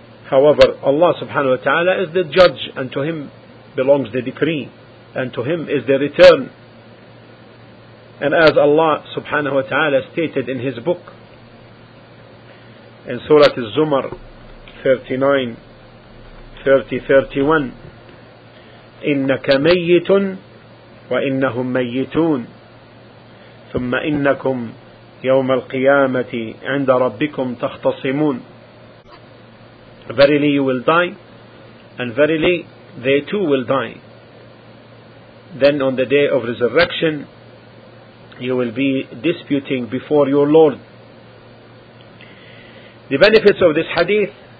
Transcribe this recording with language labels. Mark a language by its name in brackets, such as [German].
[English] However, Allah subhanahu wa ta'ala is the judge, and to him belongs the decree, and to him is the return. And as Allah subhanahu wa ta'ala stated in his book in Surah Az-Zumar 39 30 31, [Arabic] إِنَّكَ مَيِّتٌ وإنهم ميتون ثم إنكم يوم القيامة عند ربكم تختصمون. [English] Verily you will die, and verily they too will die. Then on the day of resurrection, you will be disputing before your Lord. The benefits of this hadith.